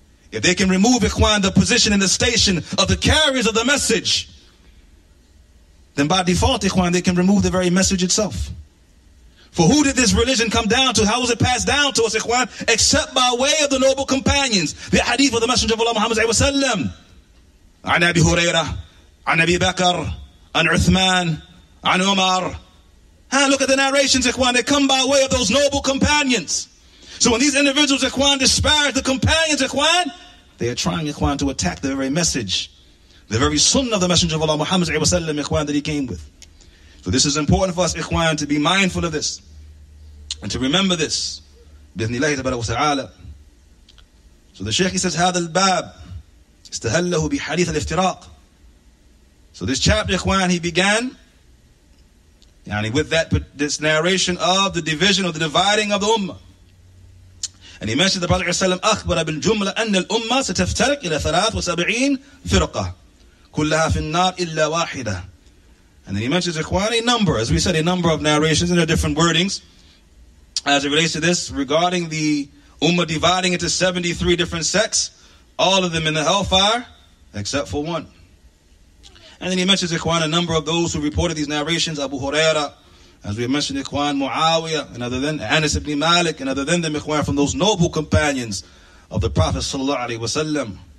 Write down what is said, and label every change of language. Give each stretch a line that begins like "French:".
English: If they can remove, Ikhwan, the position and the station of the carriers of the message, then by default, Ikhwan, they can remove the very message itself. For who did this religion come down to? How was it passed down to us, Ikhwan? Except by way of the noble companions, the hadith of the Messenger of Allah, Muhammad SAW.
Arabic: عن أبي هريرة عن أبي بكر عن عثمان عن عمر.
English: Look at the narrations, Ikhwan. They come by way of those noble companions. So when these individuals, Ikhwan, disparage the companions, Ikhwan, they are trying, Ikhwan, to attack the very message, the very sunnah of the Messenger of Allah, Muhammad SAW, Ikhwan, that he came with. So this is important for us, Ikhwan, to be mindful of this and to remember this.
Arabic: بإذن الله تبارك وتعالى.
English: So the Shaykh, he says,
Arabic: هذا الباب استهله بحديث الافتراق.
English: So this chapter, Ikhwan, he began, يعني with that, this narration of the division or the dividing of the ummah. And he mentioned the Prophet
Arabic: ﷺ أخبر بالجملة أن الأمة ستفترق إلى 73 فرقة كلها في النار إلا واحدة.
English: And then he mentions, Ikhwan, a number, as we said, a number of narrations in their different wordings as it relates to this regarding the ummah dividing into 73 different sects, all of them in the hellfire except for one. And then he mentions, Ikhwan, a number of those who reported these narrations, Abu Huraira, as we mentioned, Ikhwan, Muawiyah, and other than Anas ibn Malik, and other than them, Ikhwan, from those noble companions of the Prophet sallallahu alaihi wasallam.